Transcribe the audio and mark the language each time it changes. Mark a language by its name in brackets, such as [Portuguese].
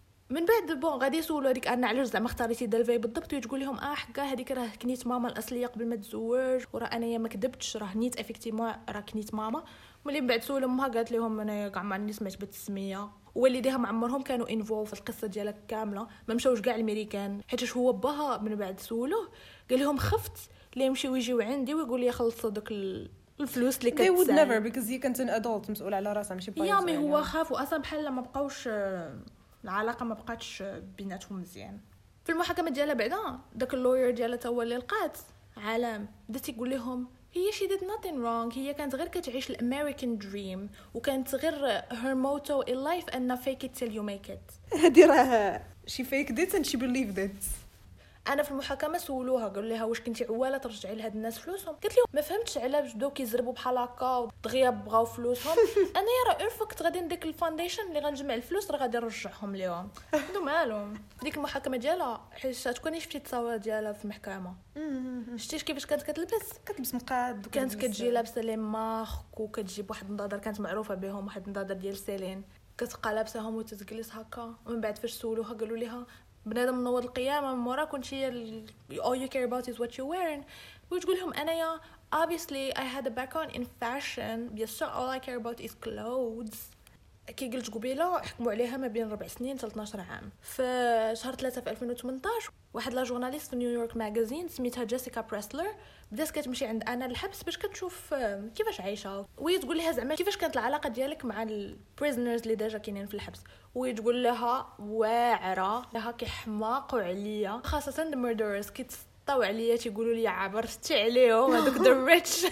[Arabic] من بعد بون غادي يسولوا هذيك انا علاش زعما اختاريتي دلفي بالضبط، وتقول لهم اه حقا هذيك راه كنيت ماما الاصليه قبل ما تزوج، وراه انايا ما كذبتش راه نيت افيكتيفمون راه كنيت ماما. ملي من بعد سولوا امها قالت لهم انايا كاع ما عندي سمعت بالتسميه، والديها معمرهم كانوا انفولف في القصه ديالك كامله، ما مشاوش كاع الامريكان حيتش هو باها. من بعد سولوه قال لهم خفت اللي يمشيو يجيو عندي ويقول لي خلصوا دوك الفلوس اللي كتسال. [English] They would never because he [Arabic] كانت [English] an adult [Arabic] مسؤول على راسها ماشي باي. يامي هو خاف، واصلا بحال لما بقاوش العلاقه ما بقاتش بيناتهم مزيان. في المحاكمه ديالها بعدا داك اللوير ديالها هو اللي لقات عالم، بدا تيقول لهم هي [English] she did nothing wrong, [Arabic] هي كانت غير كتعيش الامريكان دريم، وكانت غير [English] Her motto in life in fake it till you make it. [Arabic] هادي راه [English] She fake that and she believe that. [Arabic] انا في المحاكمه سولوها قالوا لها واش كنتي عواله ترجعي لهاد الناس فلوسهم، قالت لهم ما فهمتش علاه بداو كيزربوا بحال هكا ودغيا بغاو فلوسهم. انا يا راه افكت غادي نديك الفونديشن اللي غنجمع الفلوس راه غادي نرجعهم ليهم. هادو مالهم ديك المحاكمه ديالها حيت تكوني شفتي التصاور ديالها في المحكمه. شتي كيفاش كانت كتلبس؟ كتلبس مقاد، كانت كتجي لابسه لي ماسك وكتجيب واحد النظاره كانت معروفه بهم، واحد النظاره ديال سيلين، كتبقى لابساهم وتتجلس هكا. ومن بعد فاش سولوها قالوا لها بنادم منوض القيامه من مورا كنت هي [English] all you care about is what you're wearing، [Arabic] وتقول لهم انايا [English] obviously I had a background in fashion but all I care about is clothes. [Arabic] كي قلت قبيله حكموا عليها ما بين 4 سنين حتى 12 عام. في شهر 3 في 2018 واحد لا جورناليست في نيويورك ماجازين سميتها جيسيكا بريسلر بدات كتمشي عند انا الحبس باش كتشوف كيفاش عايشه، وهي تقول لها زعما كيفاش كانت العلاقه ديالك مع البريزنرز اللي ديجا كاينين في الحبس، وهي تقول لها واعره لها كيحماق عليا خاصه الميردرز كي تطوع عليا تيقولوا لي عبرتي عليهم هذوك [English] The rich.